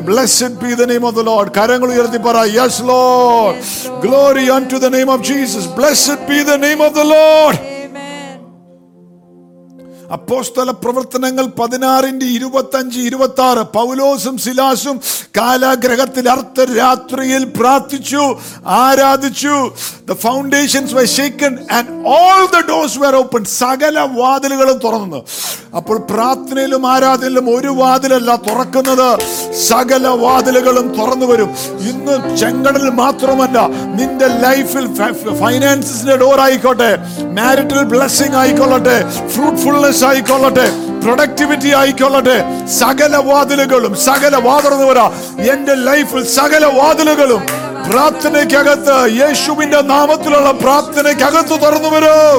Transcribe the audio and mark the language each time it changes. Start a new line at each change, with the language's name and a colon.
English: Blessed be the name of the Lord.
Malayalam: കരങ്ങൾ ഉയർത്തി പറ,
English: Yes Lord, glory unto the name of Jesus. Blessed be the name of the Lord.
Malayalam: അപ്പോസ്തല പ്രവർത്തനങ്ങൾ 16:25-26 പൗലോസും സിലാസും കാലാഗ്രഹത്തിൽ അർദ്ധരാത്രിയിൽ പ്രാർത്ഥിച്ചു, ആരാധിച്ചു.
English: The foundations were shaken and all the doors were opened.
Malayalam: സകല വാതിലുകളും തുറന്നു. അപ്പോൾ പ്രാർത്ഥനയിലും ആരാധനയിലും ഒരു വാതിലല്ല തുറക്കുന്നത്, സകല വാതിലുകളും തുറന്നു വരും. ഇന്ന് ചെങ്കടൽ മാത്രമല്ല, നിന്റെ ലൈഫിൽ ഫൈനാൻസിന്റെ ഡോർ ആയിക്കോട്ടെ, മാരിറ്റൽ ബ്ലെസ്സിംഗ് ആയിക്കൊള്ളട്ടെ, ഫ്രൂട്ട്ഫുൾനെസ് ആയിക്കൊള്ളട്ടെ, പ്രൊഡക്ടിവിറ്റി ആയിക്കൊള്ളട്ടെ, സകല വാതിലുകളും, സകല വാതിലെന്ന് പറ, എന്റെ ലൈഫിൽ സകല വാതിലുകളും പ്രാർത്ഥനയ്ക്കകത്ത്, യേശുവിന്റെ നാമത്തിലുള്ള പ്രാർത്ഥനയ്ക്കകത്ത് തുറന്നു വരൂ.